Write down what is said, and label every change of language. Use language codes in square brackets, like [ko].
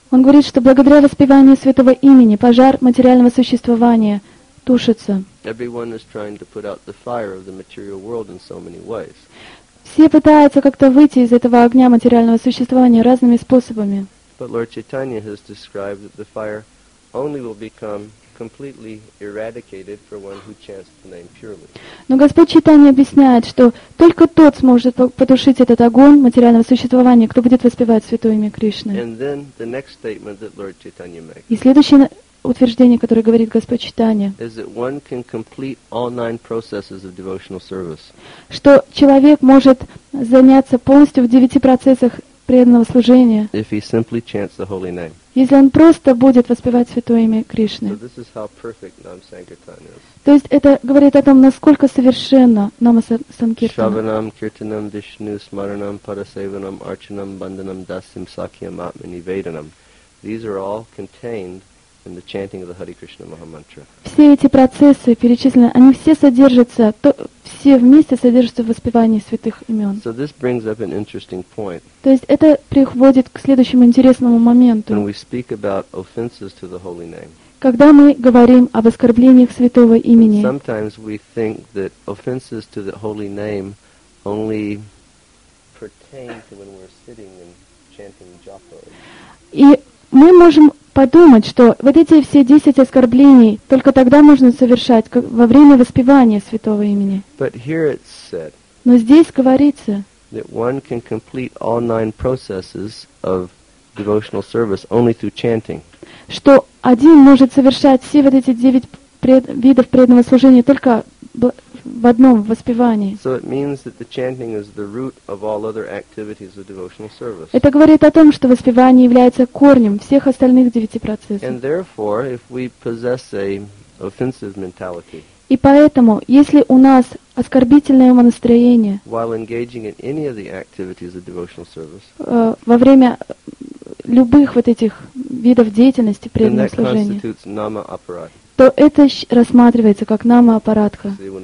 [ru] Он говорит, что благодаря воспеванию святого имени пожар материального существования тушится. [en] Everyone is trying to put out the fire of the material world in so many ways. [ru] Все пытаются как-то выйти из этого огня материального существования разными способами. [en] But Lord Chaitanya has described that the fire only will become completely eradicated for one who chants the name purely. [ru] Но Господь Чайтанья объясняет, что только тот сможет потушить этот огонь материального существования, кто будет воспевать святое имя Кришны. [en] And then the next statement that Lord Chaitanya makes. [ru] И следующее утверждение, которое говорит Господь Чайтанья, [en] is that one can complete all nine processes of devotional service. [ru] Что человек может заняться полностью в девяти процессах преданного служения. [en] If he simply chants the holy name. [ru] Если он просто будет воспевать святое имя Кришны. [en] So this is how perfect Nam Sankirtan is. [ru] То есть это говорит о том, насколько совершенно Нама Санкиртана. [sa] Шраванам, Киртанам, Вишну, Смаранам, Парасеванам, Арчанам, Банданам, Дасим, Сакьям, Атмани, Веданам. [en] These are all contained in the chanting of the Hare Krishna Mahamantra. [ru] Все эти процессы перечислены, они все содержатся, все вместе содержатся в воспевании святых имен. [en] So this brings up an interesting point. [ru] То есть это приводит к следующему интересному моменту. [en] When we speak about offenses to the holy name. [ru] Когда мы говорим об оскорблениях святого имени. [en] Sometimes we think that offenses to the holy name only pertain to when we're sitting and chanting japa. [ru] И мы можем подумать, что вот эти все 10 оскорблений только тогда можно совершать, как, во время воспевания святого имени. [en] But here it said, [ru] но здесь говорится, [en] that one can complete all nine processes of devotional service only through chanting. [ru] Что один может совершать все вот эти 9 видов преданного служения только в одном воспевании. [en] So it means that the chanting is the root of all other activities of devotional service. [ru] Это говорит о том, что воспевание является корнем всех остальных 9 процессов. [en] And therefore, if we possess a offensive mentality. [ru] И поэтому, если у нас оскорбительное настроение. [en] While engaging in any of the activities of devotional service. [ru] Во время любых вот этих видов деятельности преданного служения. [en] And that constitutes nama aparadha. [ru] То это рассматривается как нама аппаратха.